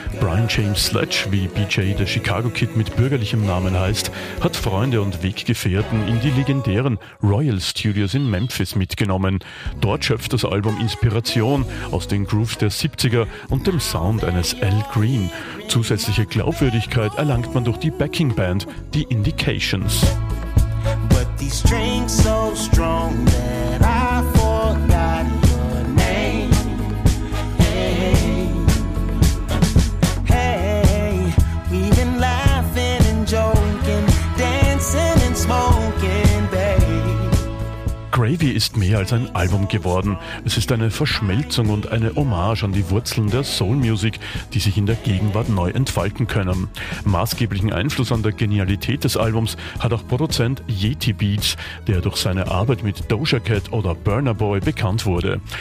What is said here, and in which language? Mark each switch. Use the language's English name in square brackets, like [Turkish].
[German] Bryan James Sledge, wie BJ der Chicago Kid mit bürgerlichem Namen heißt, hat Freunde und Weggefährten in die legendären Royal Studios in Memphis mitgenommen. Dort schöpft das Album Inspiration aus den Grooves der 70er und dem Sound eines Al Green. Zusätzliche Glaubwürdigkeit erlangt man durch die Backingband, die Indications. [English] But these strings so strong that I forgot your name. Hey, hey, we've been laughing and joking, dancing and smoking, babe. [German] Gravy ist mehr als ein Album geworden. Es ist eine Verschmelzung und eine Hommage an die Wurzeln der Soulmusic, die sich in der Gegenwart neu entfalten können. Maßgeblichen Einfluss an der Genialität des Albums hat auch Produzent Yeti Beats, der durch seine Arbeit mit Doja Cat oder Burna Boy bekannt wurde.